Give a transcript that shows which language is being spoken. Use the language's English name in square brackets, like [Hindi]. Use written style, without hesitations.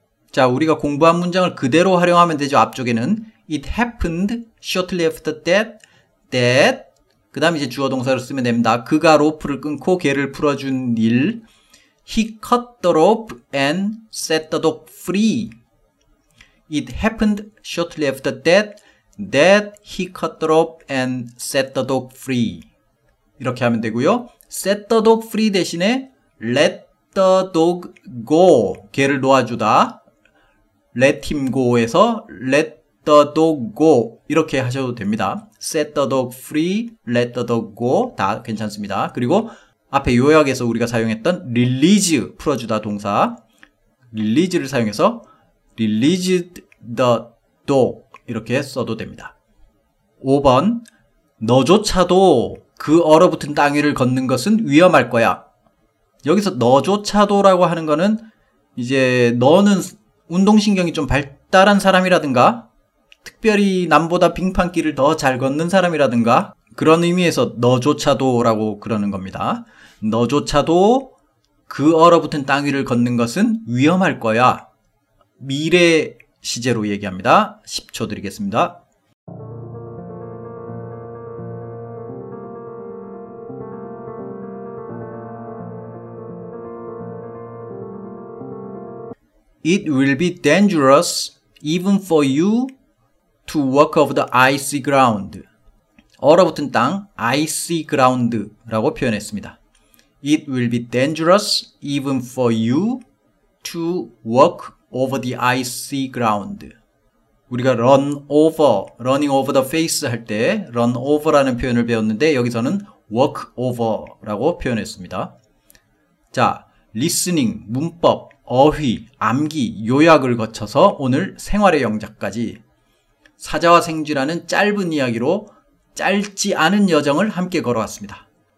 [Korean] 자, 우리가 공부한 문장을 그대로 활용하면 되죠. 앞쪽에는 [English] It happened shortly after that. That. [Korean] 그 다음 이제 주어 동사로 쓰면 됩니다. 그가 로프를 끊고 개를 풀어준 일. [English] He cut the rope and set the dog free. It happened shortly after that. That he cut the rope and set the dog free. [Korean] 이렇게 하면 되고요. [English] Set the dog free [Korean] 대신에 [English] Let the dog go. [Korean] 개를 놓아주다. [English] Let him go에서 let the dog go [Korean] 이렇게 하셔도 됩니다. [English] Set the dog free, let the dog go [Korean] 다 괜찮습니다. 그리고 앞에 요약에서 우리가 사용했던 release, 풀어주다 동사 release를 사용해서 [English] released the dog [Korean] 이렇게 써도 됩니다. 5번, 너조차도 그 얼어붙은 땅 위를 걷는 것은 위험할 거야. 여기서 너조차도라고 하는 거는 이제 너는 운동신경이 좀 발달한 사람이라든가 특별히 남보다 빙판길을 더 잘 걷는 사람이라든가 그런 의미에서 너조차도 라고 그러는 겁니다. 너조차도 그 얼어붙은 땅 위를 걷는 것은 위험할 거야. 미래 시제로 얘기합니다. 10초 드리겠습니다. [English] It will be dangerous even for you to walk over the icy ground. [Korean] 얼어붙은 땅, [English] icy ground [Korean] 라고 표현했습니다. [English] It will be dangerous even for you to walk over the icy ground. [Korean] 우리가 run over, [English] running over the face [Korean] 할 때 run over라는 표현을 배웠는데 여기서는 walk over라고 표현했습니다. 자, 리스닝, 문법, 어휘, 암기, 요약을 거쳐서 오늘 생활의 영작까지 사자와 생쥐라는 짧은 이야기로 짧지 않은 여정을 함께 걸어왔습니다.